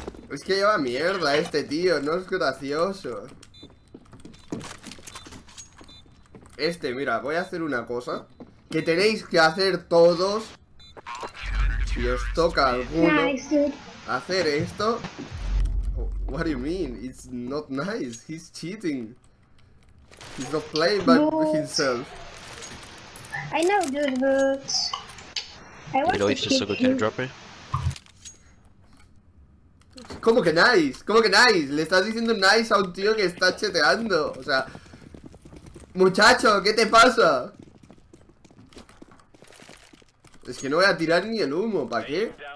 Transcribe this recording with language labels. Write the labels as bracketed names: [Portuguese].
[Spanish] Es que lleva mierda este tío, no es gracioso. Este, mira, voy a hacer una cosa que tenéis que hacer todos. Si os toca alguno, hacer esto. [English] What do you mean? It's not nice. He's cheating. He's not playing by himself. I know, dude, but... You know if you're so good, can you drop me? [Spanish] ¿Cómo que nice? ¿Cómo que nice? Le estás diciendo nice a un tío que está cheteando. O sea... Muchacho, ¿qué te pasa? Es que no voy a tirar ni el humo, ¿para qué?